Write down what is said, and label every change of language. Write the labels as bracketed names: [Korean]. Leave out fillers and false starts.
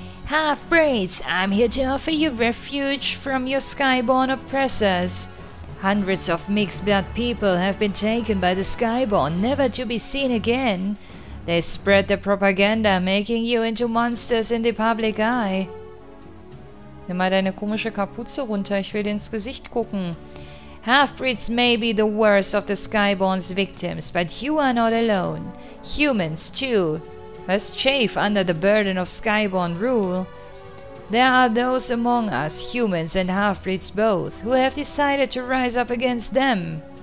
[English] Half-Breeds, I'm here to offer you refuge from your Skyborn oppressors. Hundreds of mixed-blood people have been taken by the Skyborn, never to be seen again. They spread the propaganda, making you into monsters in the public eye. [German] Nimm mal deine komische Kapuze runter, ich will dir ins Gesicht gucken. [English] Half-Breeds may be the worst of the Skyborn's victims, but you are not alone. Humans, too. Must chafe under the burden of Skyborn rule. There are those among us, humans and half-breeds both, who have decided to rise up against them.